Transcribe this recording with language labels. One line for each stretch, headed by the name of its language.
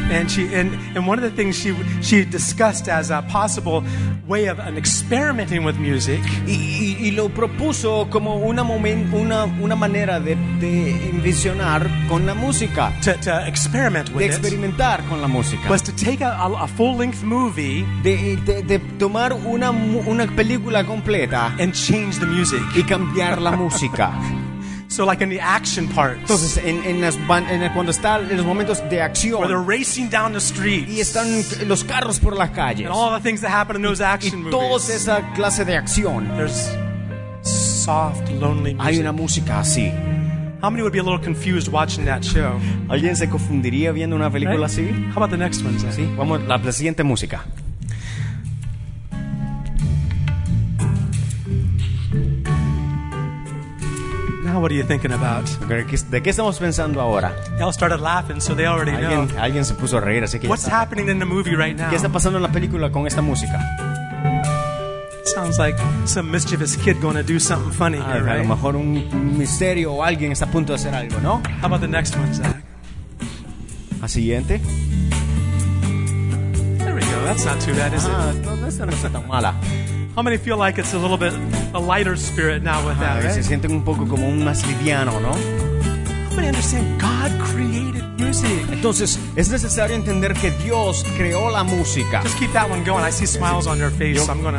English: And she one of the things she discussed as a possible way of an experimenting with music.
Spanish: Y lo propuso como una manera de envisionar con la música.
English: To experiment with it.
Spanish: Experimentar con la música.
English: Was to take a full length movie.
Spanish: De tomar una película completa.
English: And change the music.
Spanish: Y cambiar la música.
English: So like in the action parts.
Spanish: Entonces cuando están en los momentos de acción.
English: Where they're racing down the streets.
Spanish: Y están los carros por las calles.
English: And all the things that happen in those action movies.
Spanish: Y todos esa clase de acción.
English: There's soft, lonely music.
Spanish: Hay una música así.
English: How many would be a little confused watching that show?
Spanish: ¿Alguien se confundiría viendo una película así?
English: How about the next one, Zach?
Spanish: Sí, vamos a la siguiente música.
English: Now what are you thinking about?
Spanish: ¿De qué estamos pensando ahora?
English: They all started laughing, so they already know.
Spanish: Alguien se puso a reír, así que
English: what's happening in the movie right now?
Spanish: ¿Qué está pasando en la película con esta música?
English: Sounds like some mischievous kid going to do something funny here, right?
Spanish: A lo mejor un misterio o alguien está a punto de hacer algo, ¿no?
English: How about the next one, Zach?
Spanish: ¿A siguiente?
English: There we go. That's not too bad, is it?
Spanish: Ah, esa no está tan mala.
English: How many feel like it's a little bit a lighter spirit now with that?
Spanish: Se sienten un poco como un más liviano, ¿no?
English: How many understand God created music?
Spanish: Entonces, es necesario entender que Dios creó la música.
English: Just keep that one going. I see smiles on your face, so I'm going to...